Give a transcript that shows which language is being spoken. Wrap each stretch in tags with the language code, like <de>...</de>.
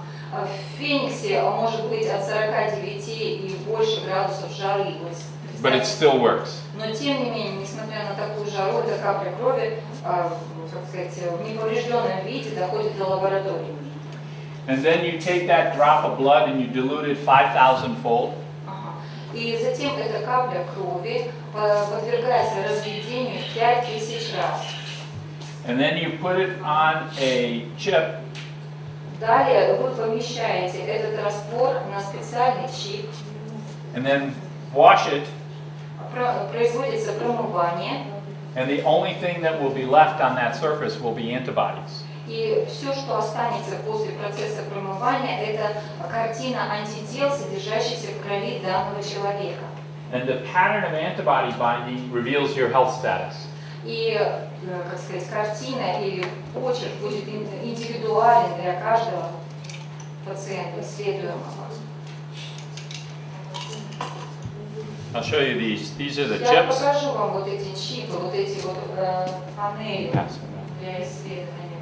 <ru>В Фениксе может быть от 49 и больше градусов жары.</ru> <en>But it still works.</en> <ru>Но тем не менее, несмотря на такую жару, эта капля крови, как сказать, в неповрежденном виде доходит до лаборатории.</ru> <en>And then you take that drop of blood and you dilute it 5,000-fold.</en> <ru>И затем эта капля крови подвергается разведению в 5000 раз.</ru> <en>And then you put it on a chip.</en> <ru>Далее вы помещаете этот раствор на специальный чип.</ru> <en>And then wash it.</en> <ru>Производится промывание.</ru> <en>And the only thing that will be left on that surface will be antibodies.</en> <ru>И все, что останется после процесса промывания, это картина антител, содержащихся в крови данного человека.</ru> <en>And the pattern of antibody binding reveals your health status.</en> <ru>И, как сказать, картина или почерк будет индивидуален для каждого пациента, исследуемого.</ru> <en>I'll show you these. These are the chips.</en> <ru>Я покажу вам вот эти чипы, вот эти вот панели для исследования.</ru>